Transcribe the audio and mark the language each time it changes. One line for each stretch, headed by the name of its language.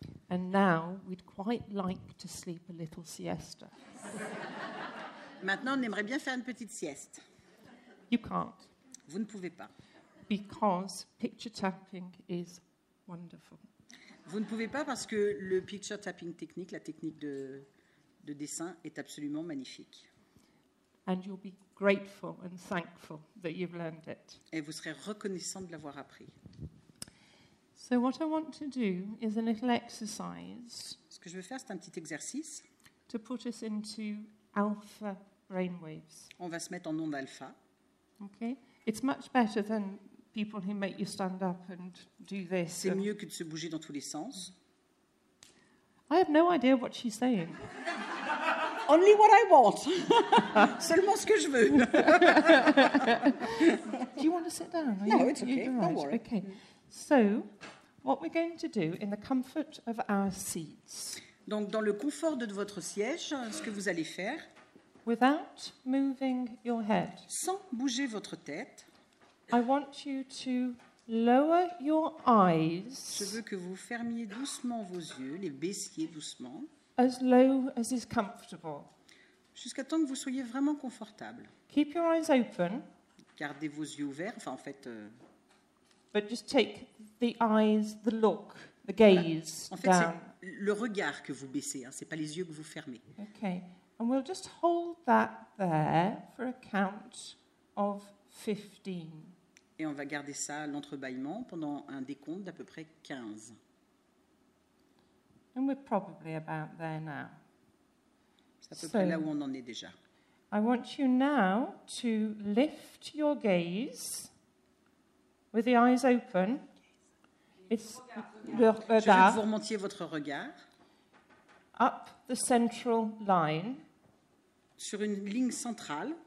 English: And now we'd quite like to sleep a little siesta.
French: Maintenant, on aimerait bien faire une petite sieste.
English: You can't.
French: Vous ne pouvez pas.
English: Because picture tapping is wonderful.
French: Vous ne pouvez pas parce que le picture tapping technique, la technique de dessin, est absolument magnifique.
English: And you'll be grateful and thankful that you've learned it.
French: Et vous serez reconnaissant de l'avoir appris.
English: So what I want to do is a little exercise.
French: Ce que je veux faire, c'est un petit exercice.
English: To put us into alpha brainwaves.
French: On va se mettre en onde alpha.
English: Okay. It's much better than people who make you stand up and do this.
French: C'est mieux que de se bouger dans tous les sens.
English: I have no idea what she's saying. Only what I want.
French: Seulement ce que je veux.
English: Do you want to sit down? No, it's okay. Don't worry. Okay. So, what we're going to do in the comfort of our seats.
French: Donc, dans le confort de votre siège, ce que vous allez faire.
English: Without moving your head.
French: Sans bouger votre tête.
English: I want you to lower your eyes.
French: Je veux que vous fermiez doucement vos yeux, les baissiez doucement.
English: As low as is comfortable.
French: Jusqu'à temps que vous soyez vraiment confortable.
English: Keep your eyes open.
French: Gardez vos yeux ouverts, enfin en fait.
English: But just take the eyes, the look, the gaze down.
French: Voilà. En fait,
English: down.
French: C'est le regard que vous baissez, hein. C'est pas les yeux que vous fermez.
English: Okay. And we'll just hold that there for a count of 15.
French: Et on va garder ça à l'entrebâillement pendant un décompte d'à peu près 15.
English: And we're probably about there now.
French: C'est à peu près là où on en est déjà.
English: I want you now to lift your gaze. With the eyes open, it's
French: le regard. Je veux que vous remontiez votre regard.
English: Up the central line.
French: Sur une ligne centrale.